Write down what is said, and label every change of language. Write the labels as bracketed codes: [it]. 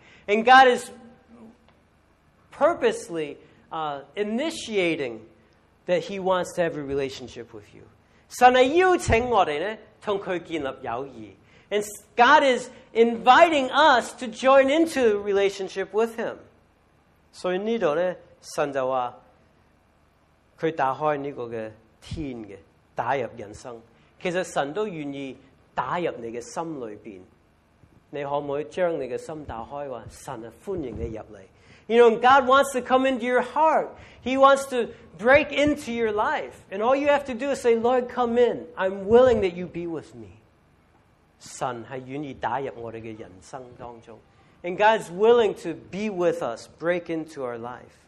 [en] And God is purposely initiating that he wants to have a relationship with you. [zh] 神是邀请我们跟他建立友谊。 [en] And God is inviting us to join into a relationship with him. [zh] 所以这里神就说他打开这个天的打入人生。其实神都愿意打入你的心里面。你可不可以将你的心打开，神是欢迎你进来。 [en] You know, God wants to come into your heart. He wants to break into your life. And all you have to do is say, Lord, come in. I'm willing that you be with me. [zh] 神是愿意打入我们的人生当中。 [en] And God's willing to be with us, break into our life.